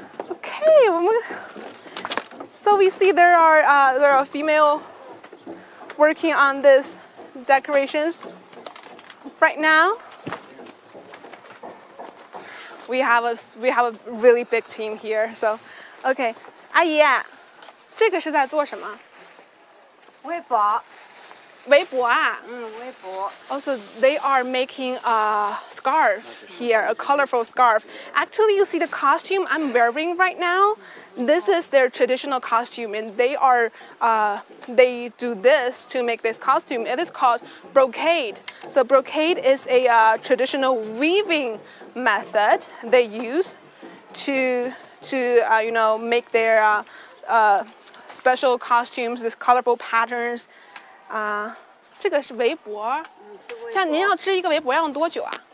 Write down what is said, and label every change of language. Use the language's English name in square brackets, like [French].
[English] Okay, so we see there are female working on this decorations. Right now, we have a really big team here. So [Chinese] OK， 阿姨，这个是在做什么？微博。微博啊？微博。 [English] Also, they are making a scarf here, a colorful scarf. Actually, you see the costume I'm wearing right now? This is their traditional costume, and they are, they do this to make this costume. It is called brocade. So brocade is a traditional weaving method they use to make their special costumes, these colorful patterns. [Chinese] 这个是围脖，像您要织一个围脖要用多久啊？